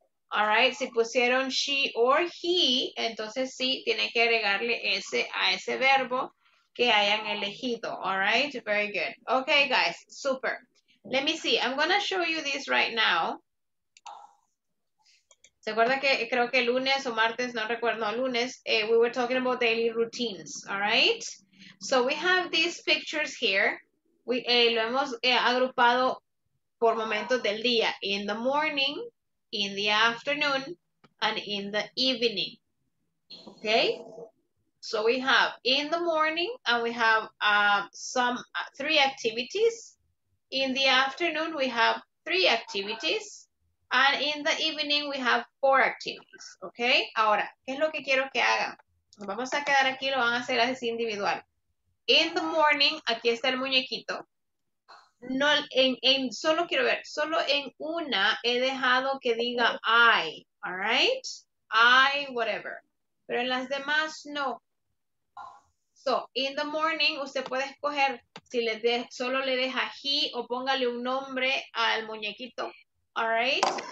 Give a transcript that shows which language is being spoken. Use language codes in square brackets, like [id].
[en] All right, [es] si pusieron [en] she or he, [es] entonces sí, tiene que agregarle ese a ese verbo que hayan elegido. [en] All right, very good. Okay, guys, super. Let me see, I'm gonna show you this right now. [es] ¿Se acuerda que creo que lunes o martes, no recuerdo, lunes, [en] we were talking about daily routines, all right? So we have these pictures here. [es] Lo hemos agrupado por momentos del día. [en] In the morning, in the afternoon, and in the evening. Okay? So we have in the morning, and we have three activities. In the afternoon, we have three activities. And in the evening, we have four activities. Okay? [es] Ahora, ¿qué es lo que quiero que hagan? Nos vamos a quedar aquí, lo van a hacer así individual. [en] In the morning, [es] aquí está el muñequito. No, solo quiero ver, solo en una he dejado que diga [en] I, all right? I, whatever. [es] Pero en las demás, no. [en] So, in the morning, [es] usted puede escoger si solo le deja he o póngale un nombre al muñequito, [en] all right?